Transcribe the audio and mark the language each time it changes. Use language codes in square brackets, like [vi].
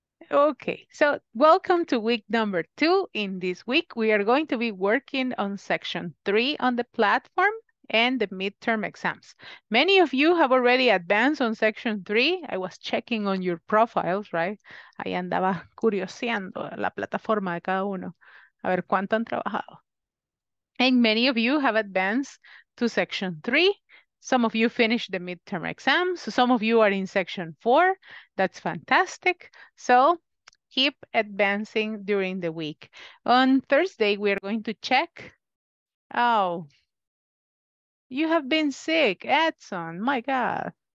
[en] Okay, so welcome to week number two. In this week, we are going to be working on section three on the platform and the midterm exams. Many of you have already advanced on section three. I was checking on your profiles, right? [es] Ahí andaba curioseando la plataforma de cada uno, a ver cuánto han trabajado. [en] And many of you have advanced to section three. Some of you finished the midterm exams. Some of you are in section four. That's fantastic. So keep advancing during the week. On Thursday, we are going to check. Oh, you have been sick, Edson. My God.